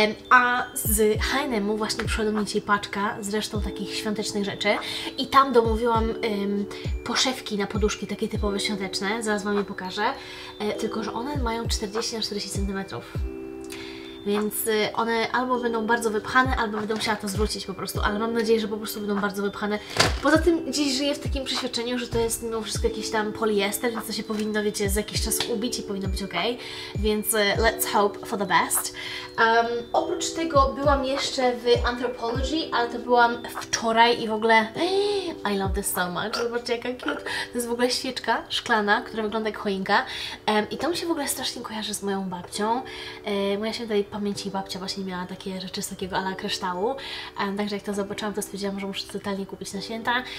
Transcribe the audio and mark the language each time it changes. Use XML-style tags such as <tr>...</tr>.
<pl>A z H&M-u właśnie przyszła do mnie dzisiaj paczka zresztą takich świątecznych rzeczy i tam domówiłam poszewki na poduszki, takie typowe świąteczne, zaraz Wam je pokażę, tylko, że one mają 40 40 cm. Więc one albo będą bardzo wypchane, albo będą musiała to zwrócić po prostu. Ale mam nadzieję, że po prostu będą bardzo wypchane. Poza tym dziś żyję w takim przeświadczeniu, że to jest mimo wszystko jakiś tam poliester, więc to się powinno, wiecie, za jakiś czas ubić i powinno być okej.</pl> <en>Więc let's hope for the best.</en> <pl>Oprócz tego byłam jeszcze w Anthropology, ale to byłam wczoraj i w ogóle...</pl> <en>I love this so much.</en> <pl>Zobaczcie, jaka cute. To jest w ogóle świeczka szklana, która wygląda jak choinka. I to mi się w ogóle strasznie kojarzy z moją babcią. Moja się tutaj pamięci babcia właśnie miała takie rzeczy z takiego ala kryształu, także jak to zobaczyłam, to stwierdziłam, że muszę totalnie kupić na święta.</pl>